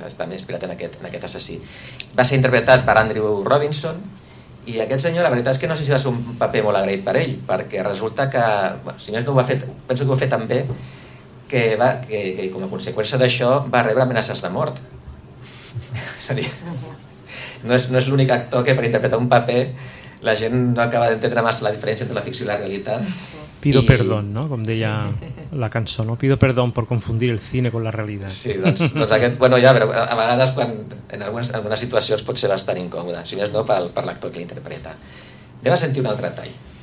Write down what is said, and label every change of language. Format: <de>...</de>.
<ca>Està més inspirat en aquest assassí. Va ser interpretat per Andrew Robinson, i aquest senyor, la veritat és que no sé si va ser un paper molt agraït per ell, perquè resulta que, bueno, si més no ho va fer, penso que ho va fer tan bé, que com a conseqüència d'això va rebre amenaces de mort. No és l'únic actor que per interpretar un paper la gent no acaba d'entendre massa la diferència entre la ficció i la realitat.</ca> <es>Pido perdón,</es> <ca>no? Com deia sí. La cançó, no?</ca> <es>Pido perdón por confundir el cine con la realidad.</es> <ca>Sí, doncs aquest, bueno, ja, però a vegades quan, en algunes situacions pot ser bastant incòmode, si més no per l'actor que l'interpreta. Anem a sentir un altre tall.</ca>